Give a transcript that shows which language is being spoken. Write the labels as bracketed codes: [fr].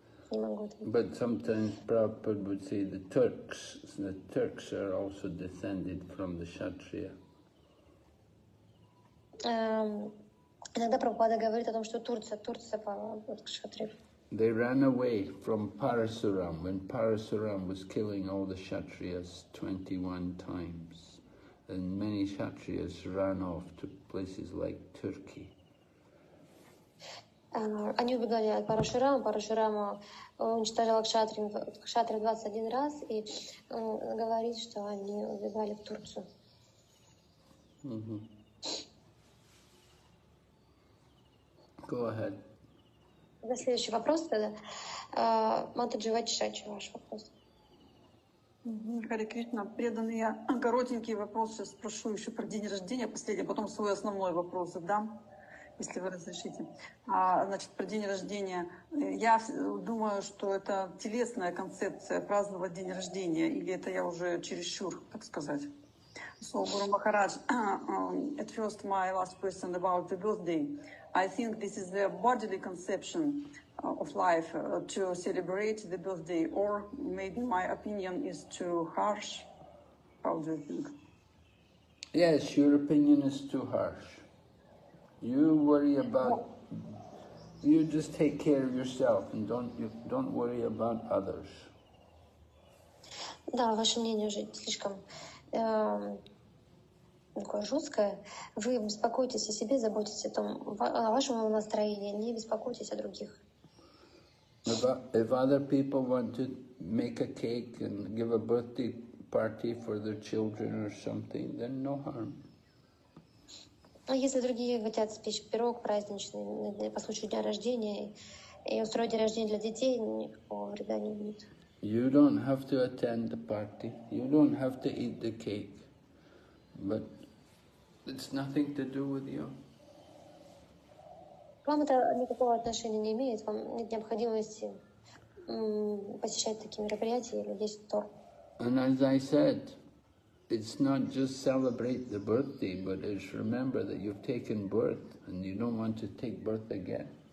[en] But sometimes Prabhupada would say the Turks are also descended from the Kshatriya. [ru] Иногда Прабхупада говорит о том, что Турция вот Кшатриев. [en] They ran away from Parasuram when Parasuram was killing all the Kshatriyas 21 times. And many Kshatriyas ran off to places like Turkey. [ru] Они убегали от Парашурама. Парашурама уничтожил Кшатри 21 раз и говорит, что они убегали в Турцию. [en] Go ahead. [ru] Да, следующий вопрос тогда. Матаджи Вачачи, ваш вопрос. Харе Кришна, преданный, я коротенький вопрос сейчас спрошу еще про день рождения, последний, потом свой основной вопрос задам, если вы разрешите. Значит, про день рождения. Я думаю, что это телесная концепция праздновать день рождения, или это я уже чересчур, так сказать. [en] So, Guru Maharaj, at first my last question about the birthday. I think this is the bodily conception of life, to celebrate the birthday, or maybe my opinion is too harsh. How do you think? Yes, your opinion is too harsh. You worry about, you just take care of yourself and don't worry about others. [ru] Да, ваше мнение уже слишком такое жесткое. Вы беспокоитесь о себе, заботитесь о том, о вашем настроении, не беспокойтесь о других. [en] If other people want to make a cake and give a birthday party for their children or something, then no harm. [ru] А если другие хотят спечь пирог праздничный по случаю дня рождения и устроить день рождения для детей, никакого вреда не будет. [en] You don't have to attend the party. You don't have to eat the cake. But it's nothing to do with you. [ru] Вам это никакого отношения не имеет, вам нет необходимости посещать такие мероприятия или есть то. [en] And as I said, it's not just celebrate the birthday, but it's remember that you've taken birth and you don't want to take birth again.